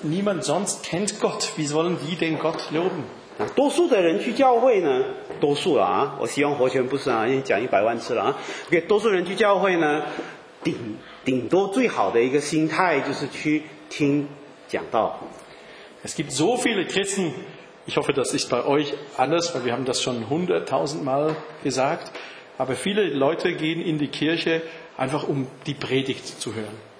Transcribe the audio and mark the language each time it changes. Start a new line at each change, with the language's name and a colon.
German: Niemand sonst kennt Gott. Wie sollen die denn Gott loben?
Chinese: 多数的人去教会呢，多数啊，我希望活泉不是啊，已经讲一百万次了啊。给多数人去教会呢，顶多最好的一个心态就是去听讲道。
German: Es gibt so viele Christen. Ich hoffe, das ist bei euch anders, weil wir haben das schon 100.000 Mal gesagt. Aber viele Leute gehen in die Kirche einfach, um die Predigt zu hören.